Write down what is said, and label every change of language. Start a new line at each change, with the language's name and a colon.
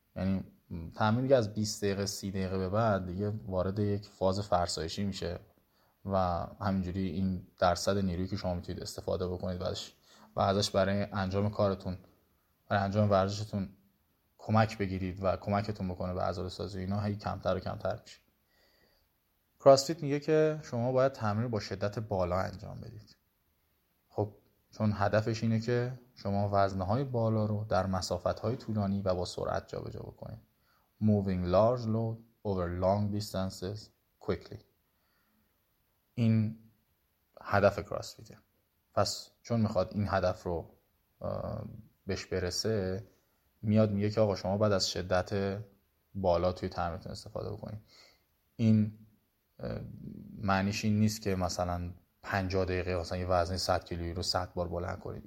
Persian: یعنی تمرین از 20 دقیقه 30 دقیقه به بعد دیگه وارد یک فاز فرسایشی میشه و همینجوری این درصد نیرویی که شما میتونید استفاده بکنید بعدش و ازش برای انجام کارتون، برای انجام ورزشتون کمک بگیرید و کمکتون بکنه به عضلات‌سازی، اینا هی کمتر و کمتر میشه. کراسفیت میگه که شما باید تمرین با شدت بالا انجام بدید. خب چون هدفش اینه که شما وزنهای بالا رو در مسافت‌های طولانی و با سرعت جابجا بکنید.
English: Moving large load over long distances quickly.
Persian: این هدف کراسفیته. پس چون میخواد این هدف رو بهش برسه میاد میگه که آقا شما بعد از شدت بالا توی تمرینتون استفاده بکنید. این معنیش این نیست که مثلا 50 دقیقه مثلا یه وزنی 100 کیلویی رو 100 بار بلند کنید.